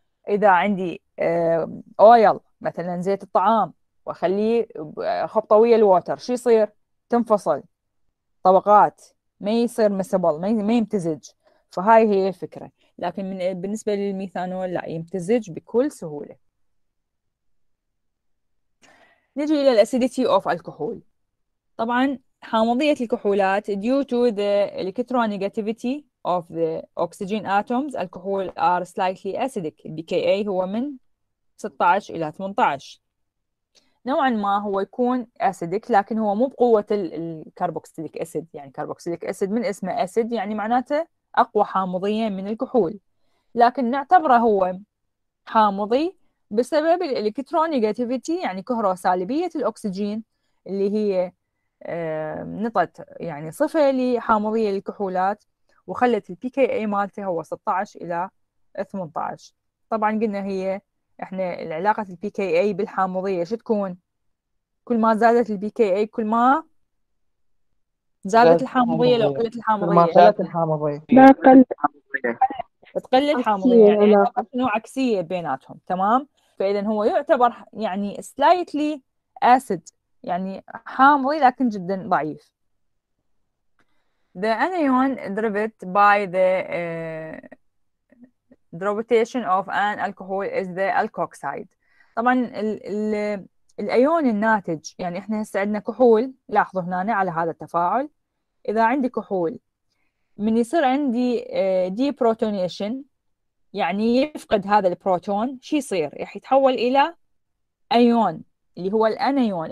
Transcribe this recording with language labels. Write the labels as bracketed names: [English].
[Arabic] اذا عندي اويل مثلا زيت الطعام واخليه خبطه ويا الووتر شو يصير؟ تنفصل طبقات، ما يصير مسبل، ما يمتزج. فهاي هي الفكره، لكن بالنسبة للميثانول لا يمتزج بكل سهولة. نجي إلى الأسيديتي أوف الكحول. طبعا حامضية الكحولات [English] due to the electronegativity of the oxygen atoms [Arabic] الكحول [English] are slightly acidic. [Arabic] الـ pKa هو من 16 إلى 18 نوعا ما هو يكون acidic، لكن هو مو بقوة الكربوكسيليك أسيد، يعني كربوكسيليك أسيد من اسمه أسيد يعني معناته أقوى حامضية من الكحول، لكن نعتبره هو حامضي بسبب الإلكترونيجاتيفيتي يعني كهروسالبية الأكسجين اللي هي نطت يعني صفة لحامضية الكحولات وخلت الـ pKa مالته هو 16 إلى 18. طبعا قلنا هي إحنا العلاقة الـ pKa بالحامضية شو تكون؟ كل ما زادت الـ pKa كل ما زادت الحامضية، لو قلت الحامضية ما قلت الحامضية ما قلت الحامضية تقل الحامضية، يعني نوع عكسية بيناتهم. تمام، فإذا هو يعتبر يعني [English] slightly acid [Arabic] يعني حامضي لكن جدا ضعيف. [English] The anion driven by the derivation of an alcohol is the alkoxide. [Arabic] طبعا ال الأيون الناتج يعني إحنا هسه عندنا كحول، لاحظوا هنا على هذا التفاعل، إذا عندي كحول من يصير عندي دي بروتونيشن يعني يفقد هذا البروتون، شو يصير؟ راح يتحول الى ايون اللي هو الانيون.